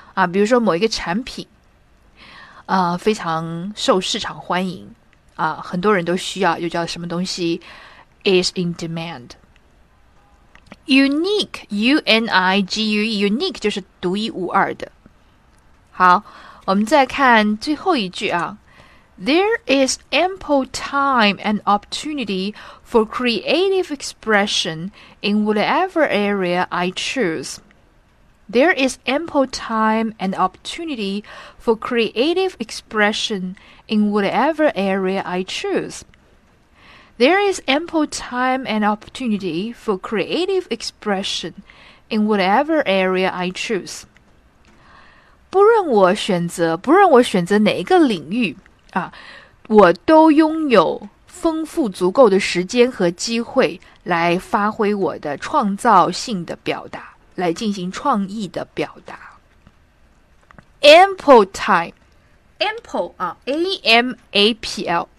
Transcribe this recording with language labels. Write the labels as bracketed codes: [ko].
[zh] 比如说某一个产品非常受市场欢迎很多人都需要又叫什么东西 [en] is in demand [zh] unique U-N-I-G-U-E unique 就是独一无二的好，我们再看最后一句啊。 [en] There is ample time and opportunity for creative expression in whatever area I choose. There is ample time and opportunity for creative expression in whatever area I choose. There is ample time and opportunity for creative expression in whatever area I choose. [zh] 不论我选择哪一个领域啊，我都拥有丰富足够的时间和机会来发挥我的创造性的表达，来进行创意的表达。 [en] Ample time, ample [zh] 啊 ，A-M-A-P-L。